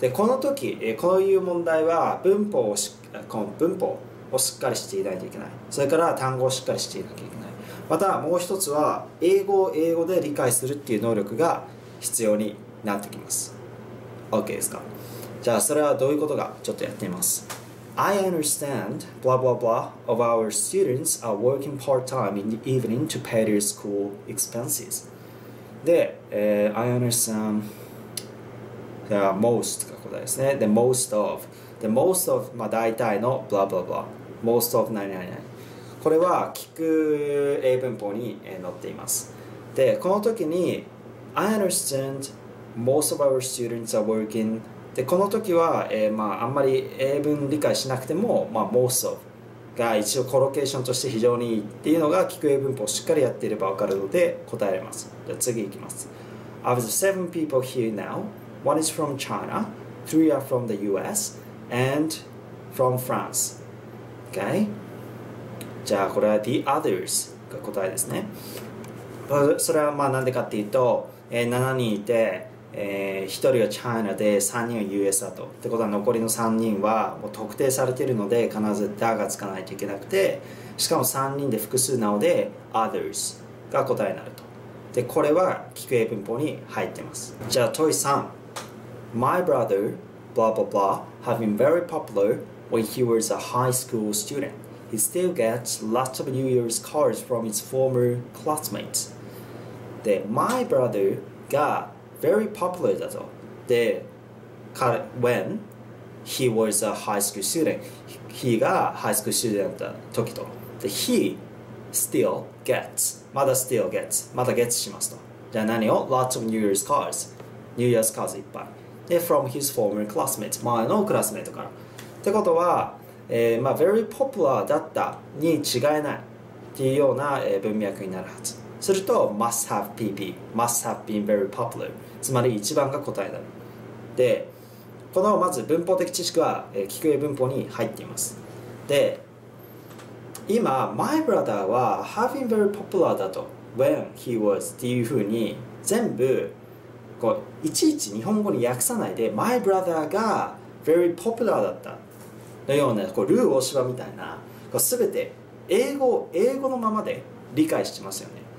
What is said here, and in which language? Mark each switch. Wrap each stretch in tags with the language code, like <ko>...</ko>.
<ja>でこの時こういう問題は文法をしっかりしていないといけない、それから単語をしっかりしていなきゃいけない、またもう一つは英語を英語で理解するっていう能力が必要になってきます。OK ですか。じゃあそれはどういうことか、ちょっとやってみます。</ja> <en>I understand blah blah blah of our students are working part time in the evening to pay their school expenses.</en> <ja>で、</ja> <en>I understand the most</en> <ja>が答えですね。</ja> <en>The most of the most of</en> <ja>まあ大体の</ja> <en>blah blah blah most of 何々。</en> <ja>これは聞く英文法に載っています。で、この時に</ja> <en>I understand most of our students are working。</en> <ja>でこの時は、まあ、あんまり英文理解しなくても、まあ、most of が一応コロケーションとして非常にいいっていうのが聞く英文法をしっかりやっていれば分かるので答えられます。じゃ次いきます。</ja> <en>Of the seven people here now, one is from China, three are from the US, and from France.</en> <ja>Okay? じゃあこれは the others が答えですね。それはまあ何でかっていうと、7人いて1人はチャイナで3人は US だと。ってことは残りの3人はもう特定されているので必ず「だ」がつかないといけなくて、しかも3人で複数なので「others」が答えになると。でこれは聞く英文法に入ってます。じゃあ問い3。</ja> <en>My brother blah blah blah have been very popular when he was a high school student. He still gets lots of New Year's cards from his former classmates.</en> <ja>で My brother がvery popular だと。で、</ja> <en>when he was a high school student、</en> <ja>he が high school student だった時と。で、he still gets、 まだ still gets、 まだ gets しますと。じゃあ何を？</ja> <en>lots of New Year's cards、</en> <ja>New Year's cards いっぱい。で、</ja> <en>from his former classmate、</en> <ja>前のクラスメートから。ってことは、まあ、very popular だったに違いないっていうような、文脈になるはず。すると、</ja> <en>must have PP、must have been very popular。</en> <ja>つまり一番が答えだ。で、このまず文法的知識は、聞く英文法に入っています。で、今、</ja> <en>my brother は having very popular</en> <ja>だと、when he was っていうふうに全部こういちいち日本語に訳さないで my brother が very popular だったのようなこうルー大芝みたいなこう全て英語のままで理解してますよね。</ja>